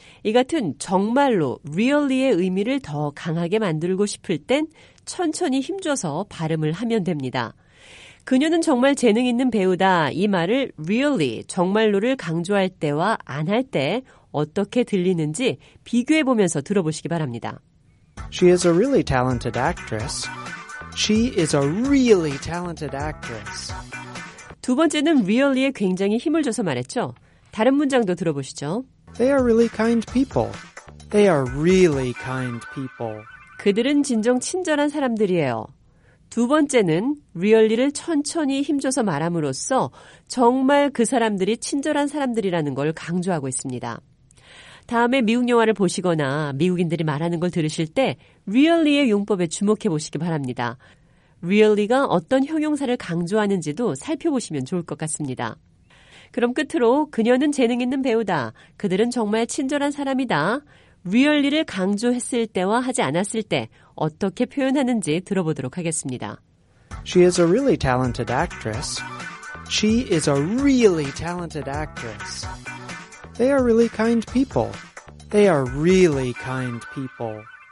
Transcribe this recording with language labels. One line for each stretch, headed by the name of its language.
Korean: 이 같은 정말로, really의 의미를 더 강하게 만들고 싶을 땐 천천히 힘줘서 발음을 하면 됩니다. 그녀는 정말 재능 있는 배우다. 이 말을 really, 정말로를 강조할 때와 안 할 때 어떻게 들리는지 비교해 보면서 들어보시기 바랍니다.
English: She is a really talented actress. She is a really talented actress.
Korean: 두 번째는 really에 굉장히 힘을 줘서 말했죠. 다른 문장도 들어보시죠.
English: They are really kind people. They are really kind people.
Korean: 그들은 진정 친절한 사람들이에요. 두 번째는 really를 천천히 힘줘서 말함으로써 정말 그 사람들이 친절한 사람들이라는 걸 강조하고 있습니다. 다음에 미국 영화를 보시거나 미국인들이 말하는 걸 들으실 때 really의 용법에 주목해 보시기 바랍니다. really가 어떤 형용사를 강조하는지도 살펴보시면 좋을 것 같습니다. 그럼 끝으로 그녀는 재능 있는 배우다. 그들은 정말 친절한 사람이다. really를 강조했을 때와 하지 않았을 때 어떻게 표현하는지 들어보도록 하겠습니다.
English: She is a really talented actress. She is a really talented actress. They are really kind people. They are really kind people.